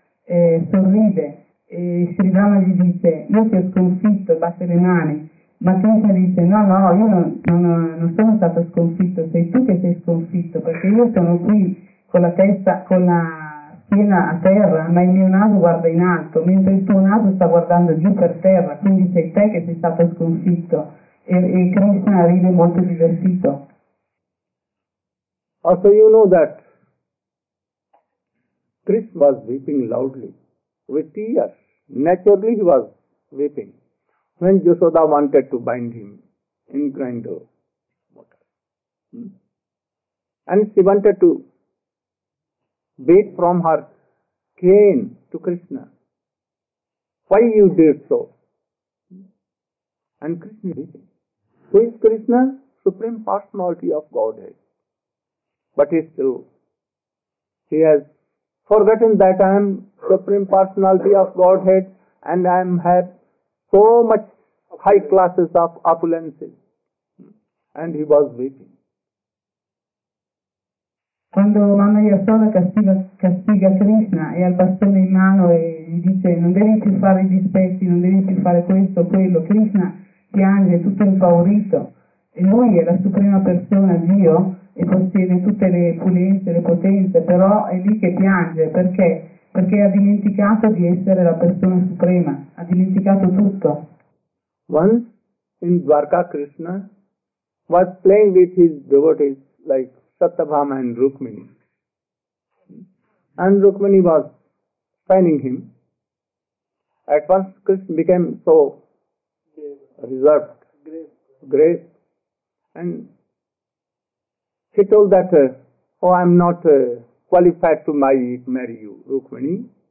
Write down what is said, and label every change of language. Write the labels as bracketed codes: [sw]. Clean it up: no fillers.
[it] sorride e Sridhama gli dice, io ti ho sconfitto, batte le mani, ma Krishna dice, no, io non sono stato sconfitto, sei tu che sei sconfitto, perché io sono qui con la testa, con la piena a terra, ma il mio naso guarda in alto, mentre il tuo naso sta guardando giù per terra, quindi sei te che sei stato sconfitto. E Krishna ride molto divertito. [en] Also you know that Krishna was weeping loudly, with tears. Naturally he was weeping. When Yasoda wanted to bind him in grinder water. And she wanted to beat from her cane to Krishna. Why you did so? And Krishna did it. Who is Krishna? Supreme Personality of Godhead. But he still, he has forgetting that I am Supreme Personality of Godhead and I have so much high classes of opulences. And he was weeping. [it] Quando Mamma Yasoda castiga Krishna e al bastone in mano e gli dice non devi più fare i dispetti, non devi più fare questo, quello, Krishna piange tutto impaurito e lui è la suprema persona, Dio, e possiede tutte le pulenze, le potenze, però è lì che piange, perché? Perché ha dimenticato di essere la persona suprema, ha dimenticato tutto. [en] Once in Dwarka Krishna was playing with his devotees like Satyabhama and Rukmini. And Rukmini was finding him. At once Krishna became so reserved, grave, and he told that, I am not qualified to marry you, Rukmini.